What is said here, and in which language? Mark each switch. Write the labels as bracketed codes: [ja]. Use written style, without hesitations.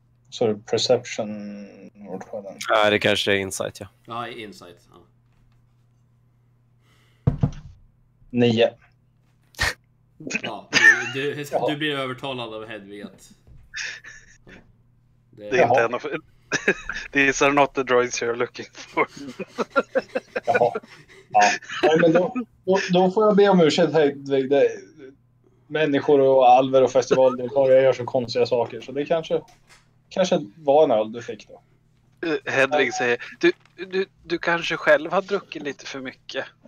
[sv] Så är det perception. Ja, det kanske är insight, ja. Ja, insight. Ja. 9. Ja, du blir övertalad av Hedvig. Ja. Det är inte en av... [en] These are not the droids you're looking for. [sv] Jaha. Ja. Nej, men då får jag be om ursäkt, Hedvig. Det människor och alver och festivaldeltagare, jag gör så konstiga saker. Så det kanske var en öl du fick då. Hedvig säger, du kanske själv har druckit lite för mycket.